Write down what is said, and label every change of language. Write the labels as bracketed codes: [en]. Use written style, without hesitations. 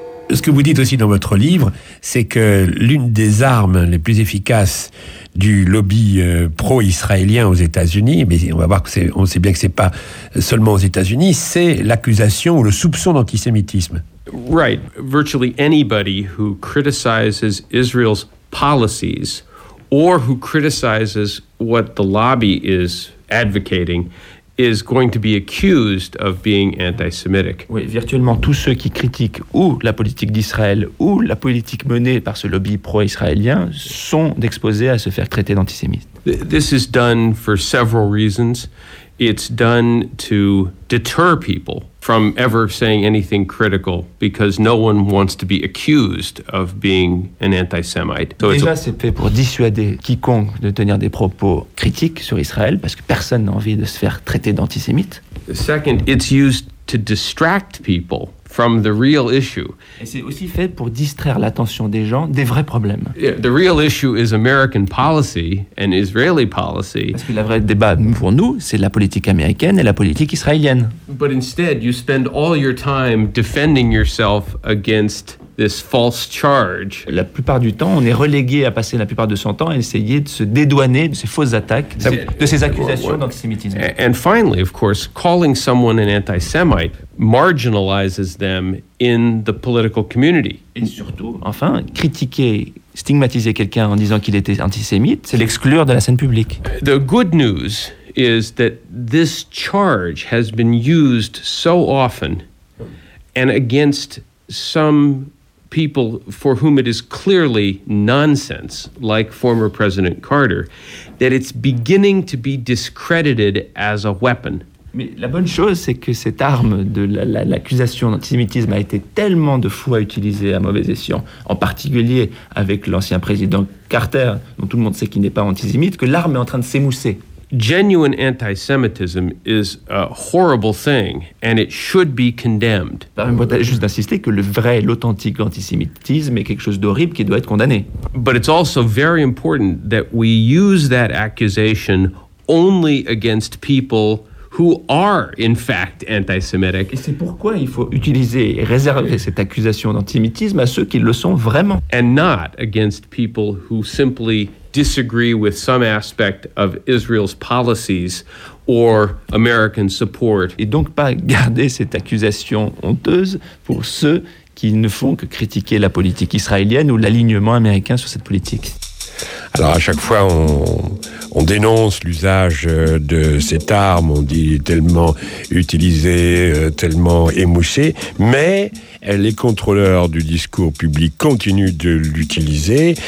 [fr] Ce que vous dites aussi dans votre livre, c'est que l'une des armes les plus efficaces du lobby pro-israélien aux États-Unis, mais on va voir que on sait bien que c'est pas seulement aux États-Unis, c'est l'accusation ou le soupçon d'antisémitisme. [en] Right, virtually anybody who criticizes Israel's policies or who criticizes what the lobby is advocating is going to be accused of being anti-Semitic. [fr] Oui, virtuellement tous ceux qui critiquent ou la politique d'Israël ou la politique menée par ce lobby pro-israélien sont exposés à se faire traiter d'antisémite. [en] This is done for several reasons. It's done to deter people from ever saying anything critical because no one wants to be accused of being an anti-Semite. [fr] So déjà, c'est fait pour dissuader quiconque de tenir des propos critiques sur Israël parce que personne n'a envie de se faire traiter d'antisémite. [en] The second, it's used to distract people from the real issue. [fr] Et c'est aussi fait pour distraire l'attention des gens des vrais problèmes. [en] Yeah, the real issue is American policy and Israeli policy. [fr] Parce que le vrai débat pour nous, c'est la politique américaine et la politique israélienne. [en] But instead, you spend all your time defending yourself against this false charge. [fr] La plupart du temps, on est relégué à passer la plupart de son temps à essayer de se dédouaner de ces fausses attaques, de ces accusations d'antisémitisme. [en] And finally, of course, calling someone an anti-Semite marginalizes them in the political community. [fr] Et surtout, enfin, critiquer, stigmatiser quelqu'un en disant qu'il était antisémite, c'est l'exclure de la scène publique. [en] The good news is that this charge has been used so often and against some people for whom it is clearly nonsense, like former President Carter, that it's beginning to be discredited as a weapon. [fr] Mais la bonne chose, c'est que cette arme de l'accusation d'antisémitisme a été tellement de fois utilisée à mauvais escient, en particulier avec l'ancien président Carter, dont tout le monde sait qu'il n'est pas antisémite, que l'arme est en train de s'émousser. [en] Genuine antisemitism is a horrible thing and it should be condemned. [fr] Permettez-moi juste d'insister que le vrai, l'authentique antisémitisme est quelque chose d'horrible qui doit être condamné. [en] But it's also very important that we use that accusation only against people who are in fact anti-Semitic. [fr] Et c'est pourquoi il faut utiliser et réserver cette accusation d'antisémitisme à ceux qui le sont vraiment. [en] And not against people who simply disagree with some aspect of Israel's policies or American support. [fr] Et donc pas garder cette accusation honteuse pour ceux qui ne font que critiquer la politique israélienne ou l'alignement américain sur cette politique. Alors à chaque fois on dénonce l'usage de cette arme, on dit tellement utilisée, tellement émoussée, mais les contrôleurs du discours public continuent de l'utiliser.